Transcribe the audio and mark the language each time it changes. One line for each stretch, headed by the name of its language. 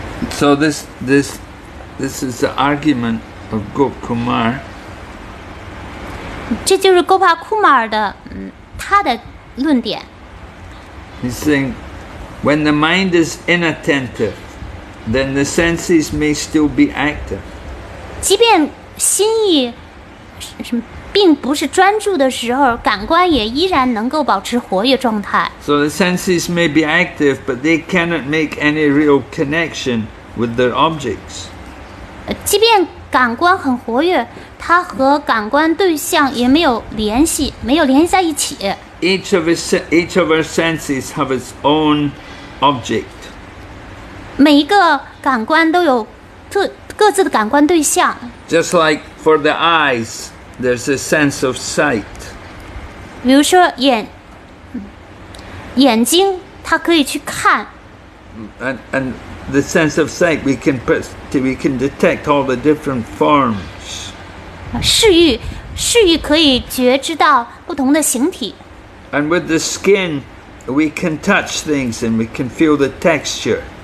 English: So this is the argument of Gop Kumar.
Chinese: 这就是 Gopa Kumar 的他的论点。
English: He's saying, when the mind is inattentive, then the senses may still be active.
Chinese: 即便心意并不是专注的时候，感官也依然能够保持活跃状态。
English: So the senses may be active, but they cannot make any real connection with their objects.
Chinese: 即便感官很活跃，它和感官对象也没有联系，没有联系在一起。
English: Each of our senses have its own object.
Chinese: 每一个感官都有各自的感官对象。
English: Just like for the eyes. There's a sense of sight.
Chinese: 比如说眼睛它可以去看。
English: and the sense of sight, we can detect all the different forms.
Chinese: 视欲可以觉知到不同的形体。
English: And with the skin, we can touch things and we can feel the texture.